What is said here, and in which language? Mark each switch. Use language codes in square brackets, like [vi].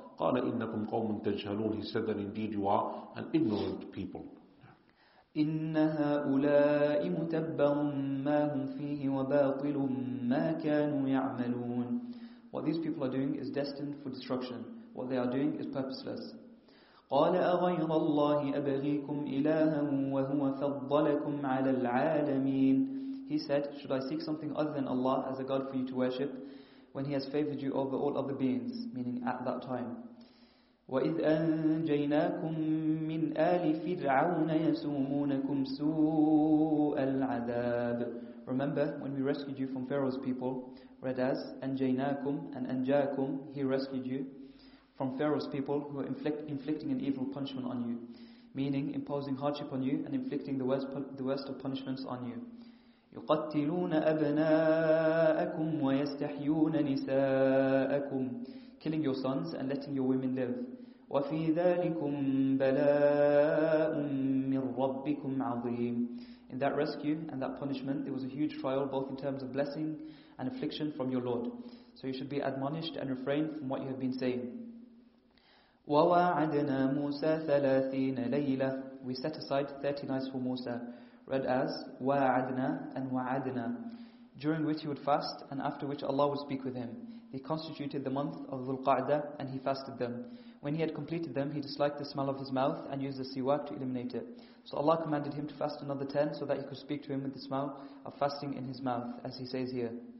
[ar] قال إنكم قوم تجهلون. [en] He said that indeed you are an ignorant people. [ar] إن هؤلاء متبر ما هم فيه وباطل ما كانوا يعملون. [en] What these people are doing is destined for destruction. What they are doing is purposeless. [ar] قال أغير الله أبغيكم إلها وهو فضلكم على العالمين. [en] He said, should I seek something other than Allah as a god for you to worship when He has favored you over all other beings, meaning at that time. [ar] وَإِذْ أَنْجَيْنَاكُمْ مِنْ آلِ فِرْعَوْنَ يَسُومُونَكُمْ سُوءَ الْعَذَابِ. [en] Remember when we rescued you from Pharaoh's people, read as Anjaynakum and Anjaakum, he rescued you from Pharaoh's people who are inflicting an evil punishment on you, meaning imposing hardship on you and inflicting the worst of punishments on you. [ar] يقتلون أبناءكم ويستحيون نساءكم, [en] killing your sons and letting your women live. [ar] وفي ذلكم بلاء من ربكم عظيم. [en] In that rescue and that punishment, there was a huge trial, both in terms of blessing and affliction from your Lord. So you should be admonished and refrain from what you have been saying. [ar] وواعدنا موسى ثلاثين ليلة. [en] We set aside 30 nights for Musa, read as [ar] وَاعَدْنَا and وَاعَدْنَا, [en] during which he would fast and after which Allah would speak with him. He constituted the month of Dhul-Qa'dah and he fasted them. When he had completed them, he disliked the smell of his mouth and used the siwak to eliminate it. So Allah commanded him to fast another 10 so that he could speak to him with the smell of fasting in his mouth, as he says here.